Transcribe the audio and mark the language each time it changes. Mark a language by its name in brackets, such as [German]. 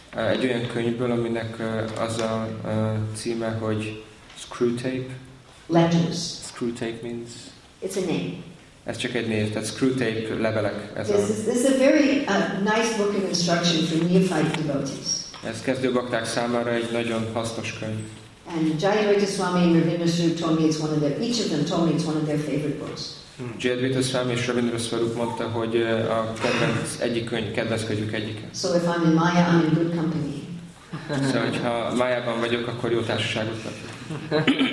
[Hungarian] Egy olyan könyvből, aminek az a címe, hogy Screwtape. [English] Letters. Screwtape means? It's a name. [Hungarian] Ez csak egy név, tehát Screwtape levelek. Ez [English] this, this is a very nice book of instruction for neophyte devotees. [Hungarian] Ez kezdő bakták számára egy nagyon hasznos könyv. [English] And Jayadvaita Swami and Ravindra Sru told me it's one of their, each of them told me it's one of their favorite books. [Hungarian] Jadvita Swami és Ravindra Swarup mondta, hogy a kedvenc egyik könyv, kedvenc könyvük egyike. [English] So if I'm in Maya, I'm in good company. [Hungarian] Szóval, hogyha Mayában vagyok, akkor jó társaságot kapok.